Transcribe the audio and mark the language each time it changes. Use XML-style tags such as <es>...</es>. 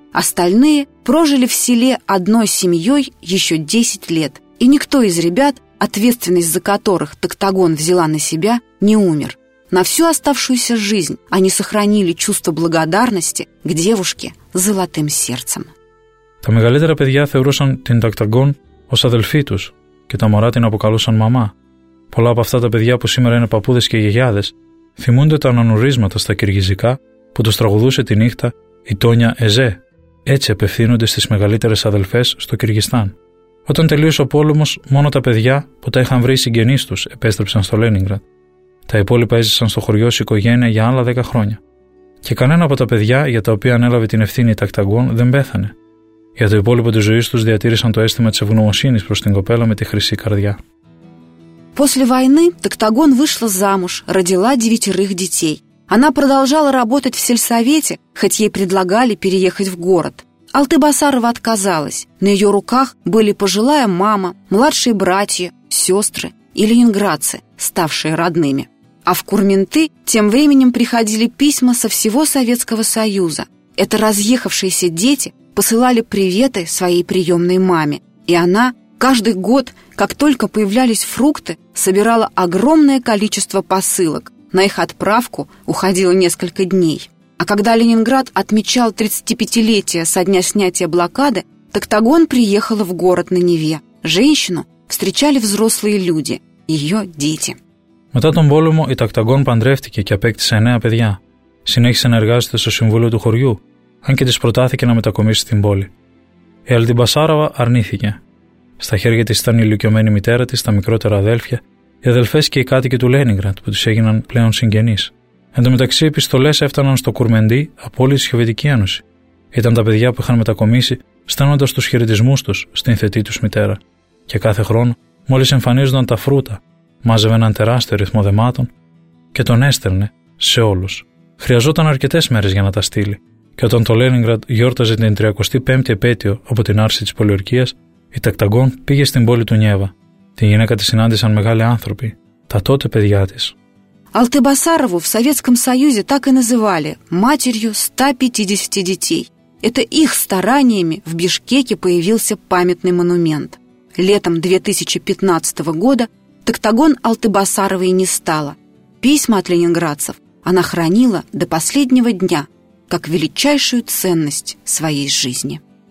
<ru>Остальные прожили в селе одной семьей еще 10 лет. И никто из ребят, ответственность за которых Тактагон взяла на себя, не умер. На всю оставшуюся жизнь они сохранили чувство благодарности к девушке золотым сердцем.</ru> <el>Τα μεγαλύτερα παιδιά θεωρούσαν την Тактагон ως αδελφή τους και τα μωρά την αποκαλούσαν μαμά. Πολλά από αυτά τα παιδιά που σήμερα είναι παππούδες και γιαγιάδες θυμούνται τα ανανουρίσματα στα κυργιζικά που τους τραγουδούσε τη νύχτα η Τόνια Εζέ. Έτσι απευθύνονται στις μεγαλύτερες αδελφές στο Κυργιστάν. Όταν τελείωσε ο πόλεμος, μόνο τα παιδιά που τα είχαν βρει οι συγγενείς τους επέστρεψαν στο Λένιγκραντ. Τα υπόλοιπα έζησαν στο χωριό ως οικογένεια για άλλα 10 χρόνια. Και κανένα από τα παιδιά για τα οποία ανέλαβε την ευθύνη η Τακταγκόν δεν πέθανε. Για το υπόλοιπο της ζωής τους διατήρησαν το αίσθημα της ευγνωμοσύνης προς την κοπέλα με τη χρυσή καρδιά.</el> <ru>После войны Тактагон вышла замуж, родила 9 детей. Она продолжала работать в сельсовете, хоть ей предлагали переехать в город. Алтыбасарова отказалась. На ее руках были пожилая мама, младшие братья, сестры и ленинградцы, ставшие родными. А в Курменты тем временем приходили письма со всего Советского Союза. Это разъехавшиеся дети посылали приветы своей приемной маме. И она каждый год, как только появлялись фрукты, собирала огромное количество посылок. На их отправку уходило несколько дней. А когда Ленинград отмечал 35-летие со дня снятия блокады, Тактагон приехала в город на Неве. Женщину встречали взрослые люди, ее дети.</ru> <el>Μετά τον πόλεμο, η Тактагон παντρεύτηκε και απέκτησε 9 παιδιά. Συνέχισε να εργάζεται στο συμβούλιο του χωριού, αν και της προτάθηκε να μετακομίσει στην πόλη. Η Αλτιμπασάραβα αρνήθηκε. Στα χέρια της ήταν η ηλικιωμένη μητέρα της, τα μικρότερα αδέλφια, οι αδελφές και οι κάτοικοι του Λένιγκραντ που τους έγιναν πλέον συγγενείς. Εν τω μεταξύ, οι επιστολές έφταναν στο Κουρμεντί από όλη τη Σοβιετική Ένωση. Ήταν τα παιδιά που είχαν μετακομίσει, στέλνοντας τους χαιρετισμούς τους στην θετή τους μητέρα. Και κάθε χρόνο, μόλις εμφανίζονταν τα φρούτα, μάζευε έναν τεράστιο ρυθμό δεμάτων και τον έστελνε σε όλους. Χρειαζόταν αρκετές μέρες για να τα στείλει. Και όταν το Λένιγκραντ γιόρταζε την 35η επέτειο από την άρση της πολιορκίας, η Τακταγκόν πήγε στην πόλη του Νιέβα. Την γυναίκα τη συνάντησαν μεγάλοι άνθρωποι, τα τότε παιδιά τη.</el> <ru>Алтыбасарову в Советском Союзе так и называли «матерью 150 детей». Это их стараниями в Бишкеке появился памятный монумент. Летом 2015 года Тактагон Алтыбасаровой не стала. Письма от ленинградцев она хранила до последнего дня как величайшую ценность своей жизни.</ru>